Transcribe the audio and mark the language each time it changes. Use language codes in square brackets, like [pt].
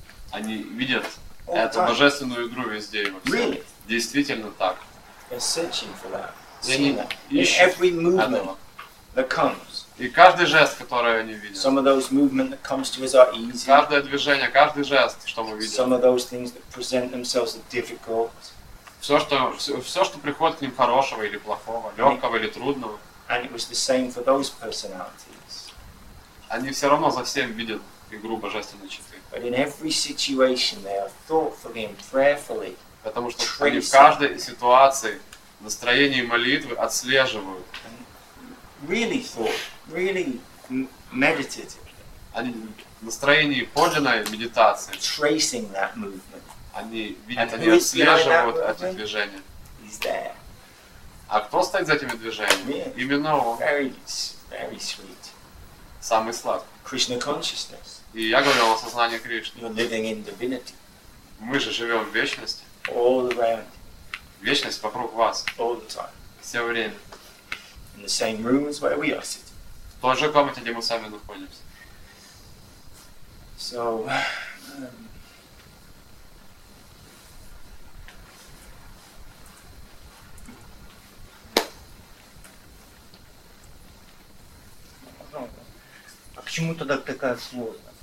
[ru] Они видят эту божественную игру везде и во всем. [en] Really? [ru] Действительно так. [en] You're searching for that. Every movement that comes. [ru] И каждый жест, который они видят. [en] Some of those movement that comes to us are easy. [ru] Каждое движение, каждый жест, что мы видим. [en] Some of those things that present themselves are difficult. [ru] Все, что приходит к ним хорошего или плохого, легкого или трудного. [en] And it was the same for those personalities. [ru] Они все равно за всем видят игру божественной четы. [en] But in every situation they are thoughtfully and prayerfully. [ru] Потому что они в каждой ситуации настроение молитвы отслеживают. [en] Really thought, really meditative. [ru] Они в настроении подлинной медитации. [en] Tracing that movement. [ru] Они видят, они отслеживают эти движения. [en] He's there. [ru] А кто стоит за этими движениями? [en] Yeah. [ru] Именно он. [en] Very, very sweet. [ru] Самый сладкий. [en] Krishna consciousness. [ru] И я говорил о сознании Кришны. [en] You're living in divinity. [ru] Мы же живем в вечности. [en] All around. [ru] Вечность вокруг вас. [en] All the time. [ru] Все время. [en] In the same room as where we are sitting. [ru] В той же комнате, где мы сами находимся. So, а почему тогда такая сложность?